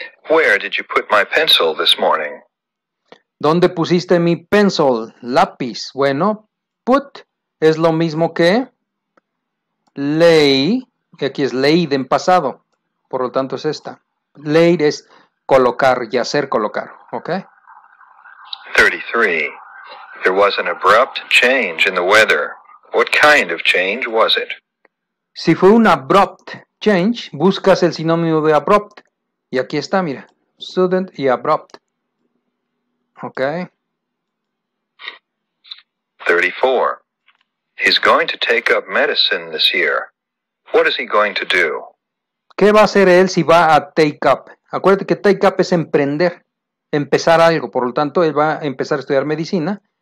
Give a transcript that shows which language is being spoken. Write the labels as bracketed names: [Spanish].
[English] Where did you put my pencil this morning? [Spanish] ¿Dónde pusiste mi pencil, lápiz? Bueno, put es lo mismo que lay, que aquí es laid en pasado. Por lo tanto, es esta. Laid es colocar y hacer colocar, ¿ok? 33. [English] There was an abrupt change in the weather. What kind of change was it? [Spanish] Si fue un abrupt change, buscas el sinónimo de abrupt. Y aquí está, mira. Sudden y abrupt. Ok. 34. [English] He's going to take up medicine this year. What is he going to do? [Spanish] ¿Qué va a hacer él si va a take up? Acuérdate que take up es emprender. Empezar algo, por lo tanto, él va a empezar a estudiar medicina.